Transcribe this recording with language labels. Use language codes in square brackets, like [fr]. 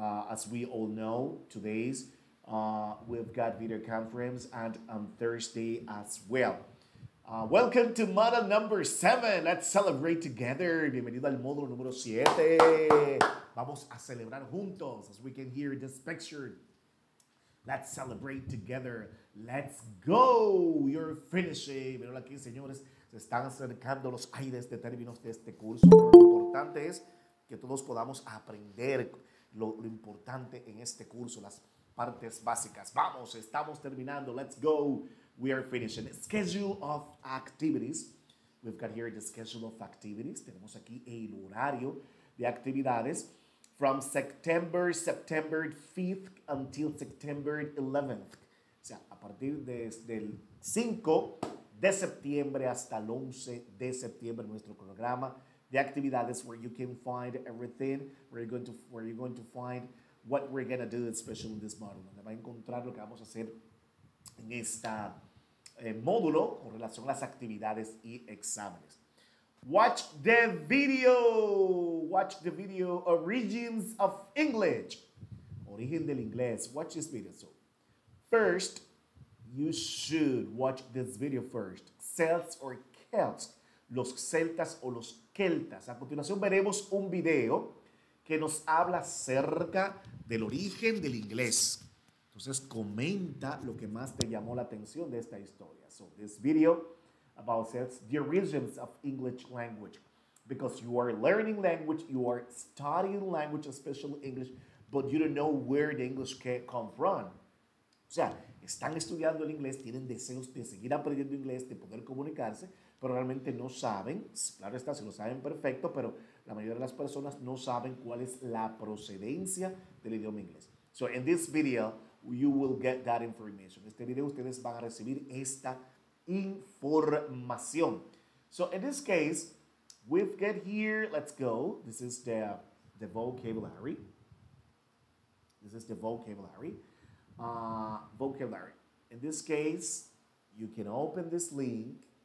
[en] As we all know, today's we've got video conference and on Thursday as well. Welcome to module number 7. Let's celebrate together. [es] Bienvenido al módulo número 7. Vamos a celebrar juntos. [en] As we can hear this picture, let's celebrate together. Let's go. You're finishing. [es] Pero aquí, señores, se están acercando los aires de términos de este curso. Pero lo importante es que todos podamos aprender. Lo importante en este curso, las partes básicas. Vamos, estamos terminando. [en] Let's go. We are finishing. Schedule of activities. We've got here the schedule of activities. [es] Tenemos aquí el horario de actividades. [en] From September 5th until September 11th. [es] O sea, a partir del 5 de septiembre hasta el 11 de septiembre, nuestro cronograma. [en] The activities where you can find everything, where you're going to find what we're going to do, especially in this module. [es] Donde va a encontrar lo que vamos a hacer en esta módulo con relación a las actividades y exámenes. [en] Watch the video. Watch the video, Origins of English. [es] Origen del inglés. [en] Watch this video. So, first, you should watch this video first. Celts or Celts. [es] Los celtas o los celtas. A continuación veremos un video que nos habla acerca del origen del inglés. Entonces comenta lo que más te llamó la atención de esta historia. [en] So this video about Celts, the origins of English language. Because you are learning language, you are studying language, especially English, but you don't know where the English come from. O sea, están estudiando el inglés, tienen deseos de seguir aprendiendo inglés, de poder comunicarse, pero realmente no saben, claro está, si lo saben perfecto, pero la mayoría de las personas no saben cuál es la procedencia del idioma inglés. So in this video, you will get that information. En este video ustedes van a recibir esta información. So in this case, we've got here, let's go, this is the vocabulary. This is the vocabulary. Vocabulary. In this case, you can open this link.